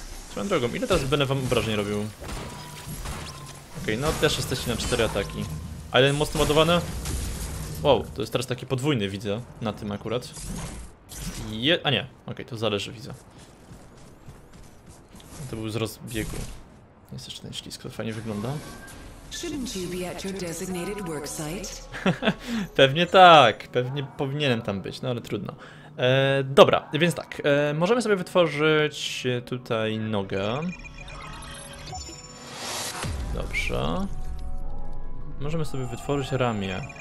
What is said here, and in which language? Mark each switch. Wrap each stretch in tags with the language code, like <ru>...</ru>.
<pl>Swoją drogą, ile teraz będę wam obrażeń robił? Okej, okay, no też jesteście na 4 ataki. A jeden mocno ładowany? Wow, to jest teraz taki podwójny, widzę, na tym akurat. A nie, okej, okay, to zależy, widzę. To był z rozbiegu. Jest jeszcze ten ślisk, to fajnie wygląda.</pl> <en>Shouldn't you be at your designated work site?</en> <pl>Pewnie tak, pewnie powinienem tam być, no ale trudno. Dobra, więc tak, możemy sobie wytworzyć tutaj nogę. Dobrze. Możemy sobie wytworzyć ramię.</pl>